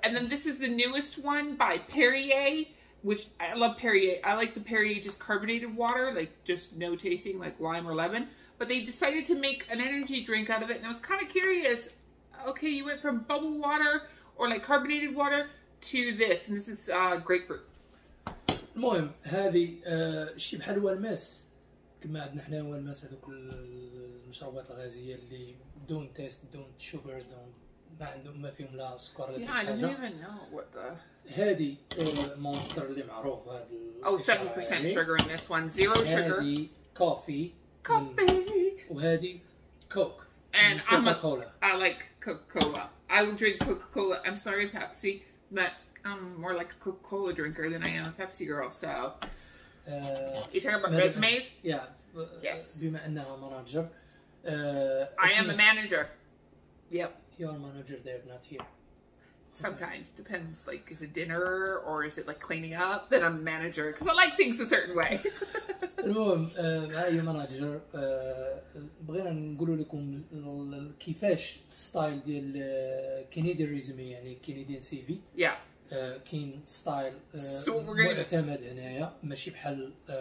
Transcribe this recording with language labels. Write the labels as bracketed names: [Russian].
[English] And then this is the newest one by Perrier, which I love Perrier. I like the Perrier just carbonated water, like just no tasting, like lime or lemon. But they decided to make an energy drink out of it, and I was kind of curious. Okay, you went from bubble water or like carbonated water to this, and this is grapefruit. [Arabic] المهم هذه شي بحال والماس كما عندنا حنا والماس هذوك المشروبات الغازيه اللي دون تيست دون شوجر دون ما عندهم ما فيهم لا سكر لا تيست. يعني هذه المونستر اللي معروف هذا [English] 7% sugar in this one zero sugar. [Arabic] هذه كوفي وهذه كوك. [English] And I like Coca-Cola. I will drink Coca-Cola. I'm sorry, Pepsi, but I'm more like a Coca-Cola drinker than I am a Pepsi girl. So, you talking about resumes? Yeah. Yes. [Arabic] بما أنها manager. [English] I am a manager. Yep. You're a manager. They're not here. Sometimes depends. Like, is it dinner or is it like cleaning up? Then I'm a manager because I like things a certain way. [Arabic] المهم هاي مناجر بغينا نقول لكم كيفاش ستايل ديال كينيدي ريزومي يعني كينيديان سي في كين ستايل معتمد هنايا ماشي بحال